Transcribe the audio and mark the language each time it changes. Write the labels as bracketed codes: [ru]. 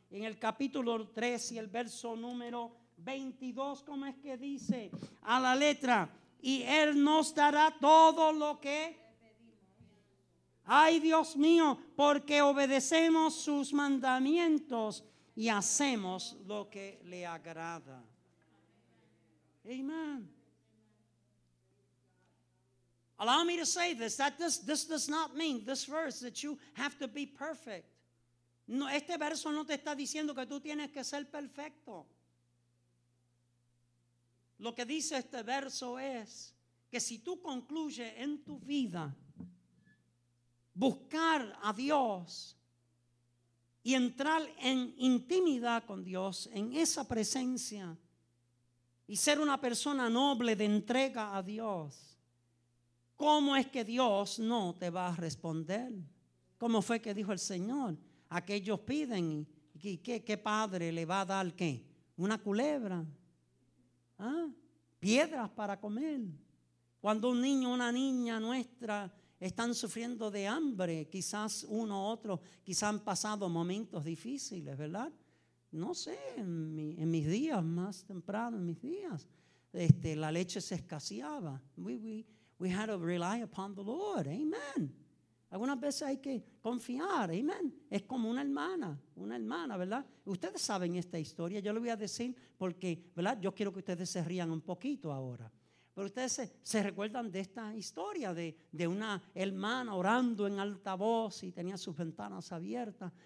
[es] En el capítulo 3 y el verso número 22, ¿cómo es que dice? A la letra. Y Él nos dará todo lo que ay Dios mío, porque obedecemos sus mandamientos y hacemos lo que le agrada. Amen. [en] Allow me to say this, that this does not mean, this verse, that you have to be perfect. [es] No, este verso no te está diciendo que tú tienes que ser perfecto. Lo que dice este verso es que si tú concluyes en tu vida buscar a Dios y entrar en intimidad con Dios, en esa presencia, y ser una persona noble de entrega a Dios, ¿cómo es que Dios no te va a responder? ¿Cómo fue que dijo el Señor? Aquellos piden, ¿y qué padre le va a dar qué? Una culebra. ¿Ah? Piedras para comer. Cuando un niño o una niña nuestra están sufriendo de hambre, quizás uno u otro, quizás han pasado momentos difíciles, ¿verdad? No sé, en mis días, más temprano en mis días, la leche se escaseaba. [en] We had to rely upon the Lord, amen. [es] Algunas veces hay que confiar, amen. Es como una hermana, ¿verdad? Ustedes saben esta historia, yo le voy a decir porque, ¿verdad? Yo quiero que ustedes se rían un poquito ahora. Pero ustedes se recuerdan de esta historia de una hermana orando en alta voz y tenía sus ventanas abiertas.